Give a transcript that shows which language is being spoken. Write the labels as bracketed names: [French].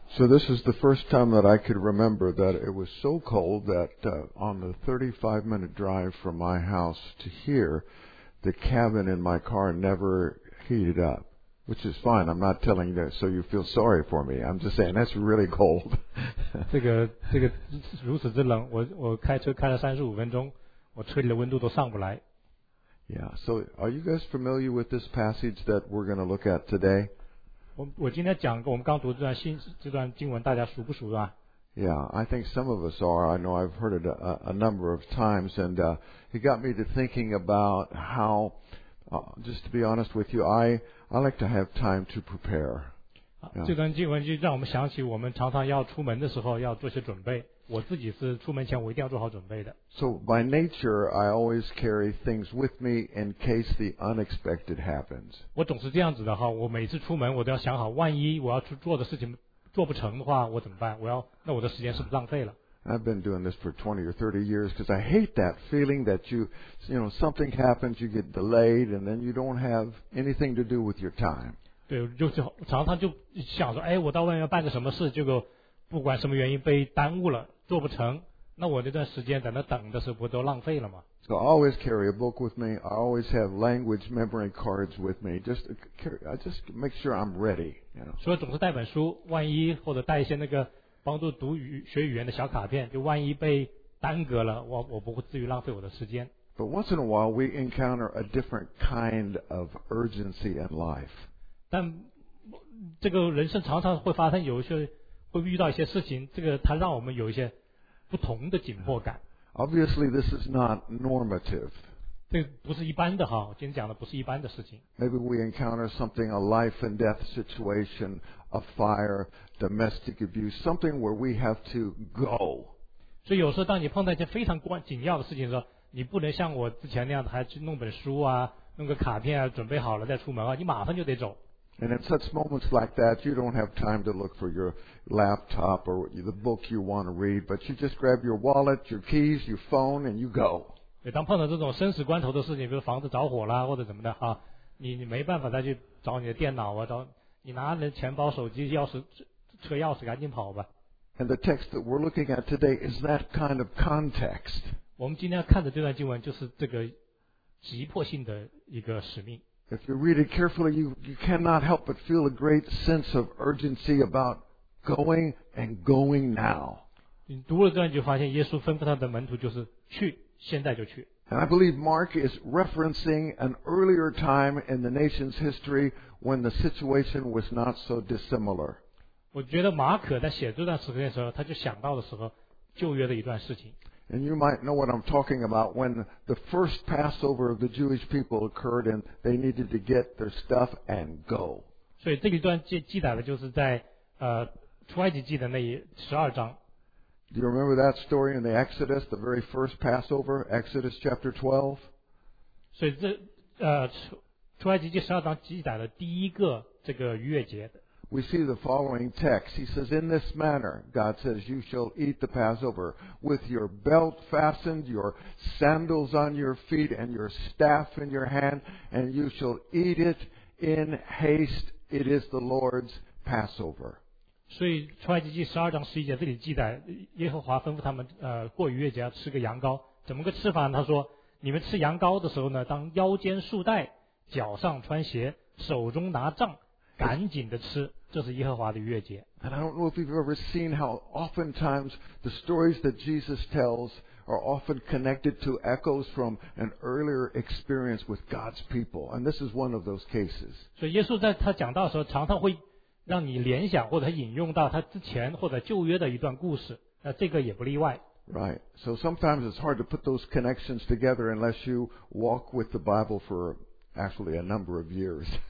[English] So this is the first time that I could remember that it was so cold that on the 35-minute drive from my house to here, the cabin in my car never heated up, which is fine. I'm not telling you that so you feel sorry for me. I'm just saying that's really cold. [Chinese] 这个如此之冷，我开车开了35分钟，我车里的温度都上不来。 [English] Yeah, so are you guys familiar with this passage that we're going to look at today? [Chinese] 我今天讲我们刚读的这段经文，大家熟不熟啊？ [English] Yeah, I think some of us are. I know I've heard it a number of times, and it got me to thinking about how, just to be honest with you, I like to have time to prepare. Yeah. [Chinese] 这段经文就让我们想起我们常常要出门的时候要做些准备。我自己是出门前我一定要做好准备的。 [English] So by nature, I always carry things with me in case the unexpected happens. [Chinese] 我总是这样子的哈，我每次出门我都要想好，万一我要去做的事情做不成的话，我怎么办？那我的时间是不浪费了。 [English] I've been doing this for 20 or 30 years because I hate that feeling that you know, something happens, you get delayed, and then you don't have anything to do with your time. [Chinese] 对，就常常就想说，哎，我到外面要办个什么事，结果不管什么原因被耽误了，做不成，那我这段时间在那等的时候不都浪费了吗？ [English] So I always carry a book with me. I always have language memory cards with me. I just make sure I'm ready. You know. [Chinese] 所以总是带本书，万一或者带一些那个帮助读语学语言的小卡片，就万一被耽搁了，我不会至于浪费我的时间。 [English] But once in a while, we encounter a different kind of urgency in life. [Chinese] 但这个人生常常会发生有一些。会遇到一些事情，这个它让我们有一些不同的紧迫感。 [English] Obviously, this is not normative. [Chinese] 这不是一般的哈，今天讲的不是一般的事情。 [English] Maybe we encounter something, a life and death situation, a fire, domestic abuse, something where we have to go. [Chinese] 所以有时候当你碰到一件非常紧要的事情的时候，你不能像我之前那样还去弄本书啊，弄个卡片啊，准备好了再出门啊，你马上就得走。 [English] And in such moments like that, you don't have time to look for your laptop or the book you want to read, but you just grab your wallet, your keys, your phone, and you go. [Chinese] 当碰到这种生死关头的事情，比如房子着火了或者怎么的啊，你没办法再去找你的电脑啊，找你拿着钱包、手机、钥匙、车钥匙，赶紧跑吧。 [English] And the text that we're looking at today is that kind of context. [Chinese] 我们今天要看的这段经文就是这个急迫性的一个使命。 [English] If you read it carefully, you cannot help but feel a great sense of urgency about going and going now. [Chinese] 你读了这段就发现耶稣吩咐他的门徒就是去，现在就去。 [English] And I believe Mark is referencing an earlier time in the nation's history when the situation was not so dissimilar. [Chinese] 我觉得马可在写这段时间的时候，他就想到的时候旧约的一段事情。 [English] And you might know what I'm talking about when the first Passover of the Jewish people occurred and they needed to get their stuff and go. [Chinese] 所以这一段记载的就是在出埃及记的那12章。 [English] Do you remember that story in the Exodus, the very first Passover, Exodus chapter 12? [Chinese] 所以这出埃及记12章记载的第一个这个逾越节的。 [English] We see the following text. He says, In this manner, God says, you shall eat the Passover with your belt fastened, your sandals on your feet, and your staff in your hand, and you shall eat it in haste. It is the Lord's Passover. [Chinese] 所以出埃及记12章11节这里记载，耶和华吩咐他们过逾越节要吃个羊羔。怎么个吃法呢？他说，你们吃羊羔的时候呢，当腰间束带，脚上穿鞋，手中拿杖。赶紧的吃，这是耶和华的逾越节。 [English] And I don't know if you've ever seen how oftentimes the stories that Jesus tells are often connected to echoes from an earlier experience with God's people. And this is one of those cases. [Chinese] 所以耶稣在他讲到的时候，常常会让你联想或者引用到他之前或者旧约的一段故事。那这个也不例外。 [English] Right. So sometimes it's hard to put those connections together unless you walk with the Bible for actually a number of years.